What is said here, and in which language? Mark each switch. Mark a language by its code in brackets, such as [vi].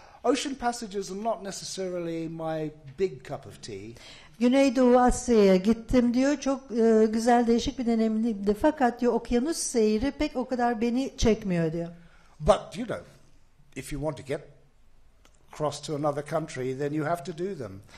[en] Ocean passages are not necessarily my big cup of tea. [tr] Güneydoğu Asya'ya gittim diyor. Çok güzel, değişik bir deneyimdi. Fakat diyor, okyanus seyri pek o kadar beni çekmiyor diyor. [en] But you know, if you want to get across to another country, then you have to do them.